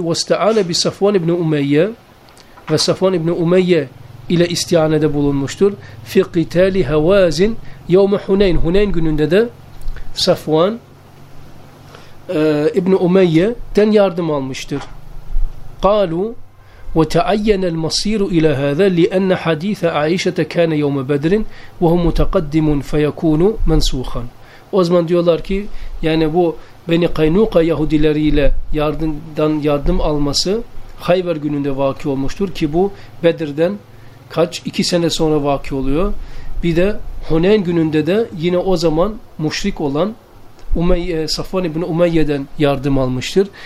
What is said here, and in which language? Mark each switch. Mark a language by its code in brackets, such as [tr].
[ar] وَاسْتَعَانَ بِسَفْوَانِ اِبْنِ اُمَيَّ [tr] ve Safvan ibn Umeyye ile istiyanede bulunmuştur. [ar] فِي قِتَالِ هَوَازٍ يَوْمَ حُنَيْنِ. [tr] Huneyn gününde de Safvan İbn-i Umeyye'den yardım almıştır. قَالُوا [ar] وتعين المصير إلى هذا لأن حديث عائشة كان يوم بدر وهو متقدم فيكون منسوخا. [tr] O zaman diyorlar ki yani bu Beni Kaynuka Yahudileriyle yardımdan yardım alması Hayber gününde vaki olmuştur ki bu Bedir'den kaç 2 sene sonra vaki oluyor. Bir de Huneyn gününde de yine o zaman müşrik olan Safvan ibn Umeyye'den yardım almıştır.